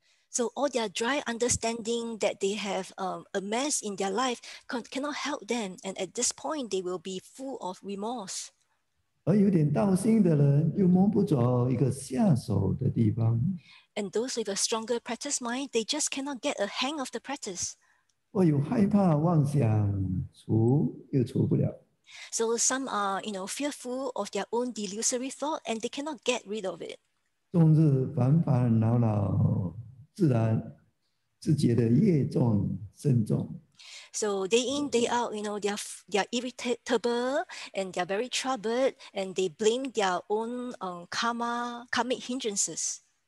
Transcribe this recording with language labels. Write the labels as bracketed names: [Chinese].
[English] So all their dry understanding that they have amassed in their life cannot help them, and at this point they will be full of remorse. [Chinese] 而有点道心的人又摸不着一个下手的地方. [English] And those with a stronger practice mind, they just cannot get a hang of the practice. [Chinese] 或有害怕妄想除又除不了. [English] So some are, you know, fearful of their own delusory thought, and they cannot get rid of it. [Chinese] 终日烦烦恼恼，自觉的业重深重. [English] So day in, day out, you know, they are irritable, and they are very troubled, and they blame their own karmic hindrances.